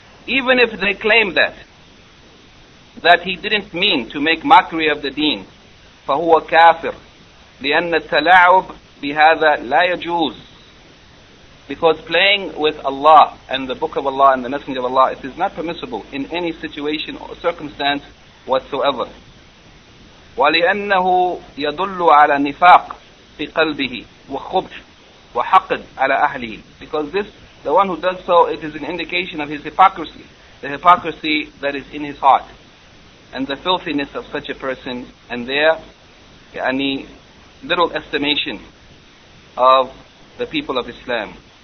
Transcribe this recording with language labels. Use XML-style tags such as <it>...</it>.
<en>Even if they claim that he didn't mean to make mockery of the deen,</en> <ar>فَهُوَ كَافِرُ لِأَنَّ التَّلَاعُبْ بِهَذَا لَا يَجُوزُ.</ar> <en>Because playing with Allah and the Book of Allah and the Messenger of Allah, it is not permissible in any situation or circumstance whatsoever.</en> <ar>ولأنه يدل على نفاق في قلبه وخبث وحقد على أهله.</ar> <en>Because this, the one who does so, it is an indication of his hypocrisy, the hypocrisy that is in his heart, and the filthiness of such a person, and their يعني, little estimation of the people of Islam.</en>